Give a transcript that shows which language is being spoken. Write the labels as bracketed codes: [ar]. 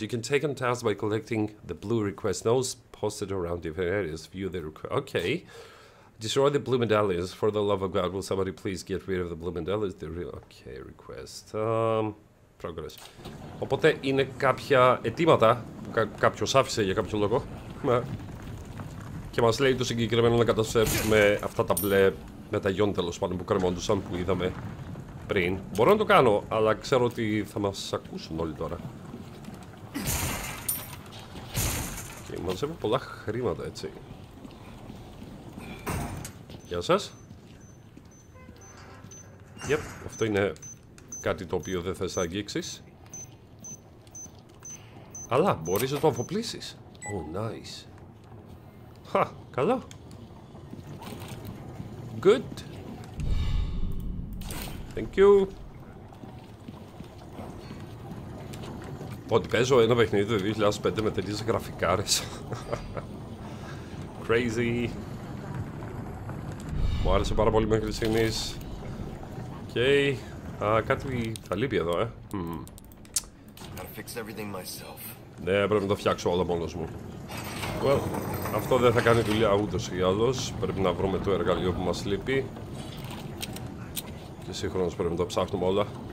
[en] You can take on tasks by collecting the blue request notes posted around different areas. View the request. Okay. Destroy the blue medallions. For the love of God, will somebody please get rid of the blue medallions? The real. Okay, request. Progress. [el] Οπότε είναι κάποια αιτήματα που κάποιος άφησε για κάποιο λόγο. Και μας λέει το συγκεκριμένο να καταστρέψουμε αυτά τα μπλε με τα γιόν, τέλος πάντων, που κρεμόντουσαν που είδαμε. Πριν. Μπορώ να το κάνω, αλλά ξέρω ότι θα μας ακούσουν όλοι τώρα. Και okay, μαζεύω πολλά χρήματα, έτσι. Γεια σας. Yep, αυτό είναι κάτι το οποίο δεν θες να αγγίξεις. Αλλά μπορείς να το αφοπλίσεις. [en] Oh, nice. Χα, [el] καλό. [en] Good. Thank you. [el] Ότι παίζω ένα παιχνίδι το 2005 με τέτοιες γραφικάρες. [en] Crazy. [el] Μου άρεσε πάρα πολύ μέχρι στιγμής. Okay. Κάτι θα λείπει εδώ, [en] Gotta fix everything myself. [el] Ναι, πρέπει να το φτιάξω όλα μόνος μου. Well, αυτό δεν θα κάνει δουλειά ούτως ή άλλως. Πρέπει να βρούμε το εργαλείο που μας λείπει. Και σύγχρονος πρέπει να τα ψάχνουμε όλα.